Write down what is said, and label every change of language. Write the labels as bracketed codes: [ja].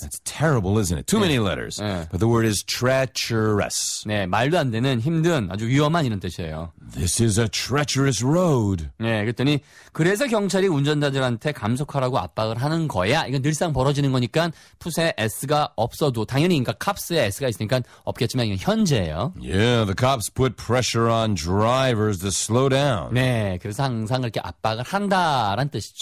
[en] That's terrible, isn't it? Too 네. many letters. [ko] 네. [en] But the word is treacherous. [ko] 네, 말도 안 되는 힘든 아주 위험한 이런 뜻이에요. [en] This is a treacherous road. [ko] 네, 그랬더니 그래서 경찰이 운전자들한테 감속하라고 압박을 하는 거야. 이건 늘상 벌어지는 거니까 풋에 S가 없어도 당연히 그러니까 cops에 S가 있으니까 없겠지만 이건 현재예요. [en] Yeah, the cops put pressure on drivers to slow down. [ko] 네, 그래서 항상 그렇게 압박을 한다라는 뜻이죠.